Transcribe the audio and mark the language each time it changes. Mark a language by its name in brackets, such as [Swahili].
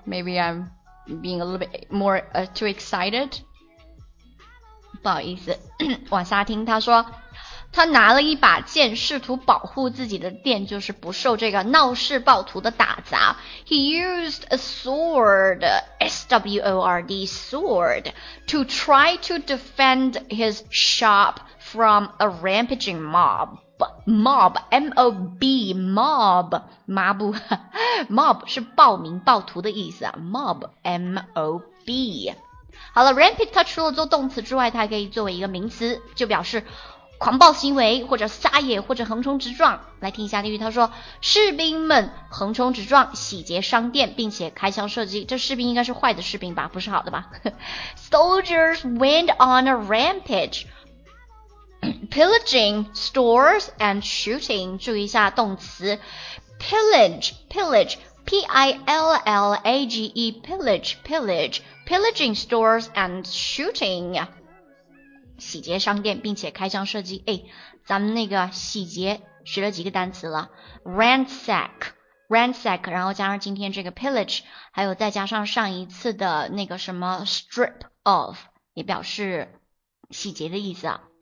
[English] Maybe I'm being a little bit more too excited. [Chinese] 不好意思，往下听。他说，他拿了一把剑，试图保护自己的店，就是不受这个闹事暴徒的打砸。 [English] He used a sword, S-W-O-R-D, sword, to try to defend his shop from a rampaging mob. [Chinese] Mob, M-O-B, mob, mob, mob 是暴民暴徒的意思啊。 [English] Mob, M-O-B。 [Chinese] 好了， rampage 它除了做动词之外，它还可以作为一个名词，就表示狂暴行为，或者撒野，或者横冲直撞。来听一下例句，他说士兵们横冲直撞，洗劫商店，并且开枪射击。这士兵应该是坏的士兵吧，不是好的吧。 [English] Soldiers went on a rampage,Pillaging stores and shooting， [Chinese] 注意一下动词 [English] pillage, P-I-L-L-A-G-E, pillage, pillaging stores and shooting， [Chinese] 洗劫商店并且开枪射击。哎，咱们那个洗劫学了几个单词了？ ransack， 然后加上今天这个 pillage， 还有再加上上一次的那个什么 strip of， 也表示洗劫的意思啊。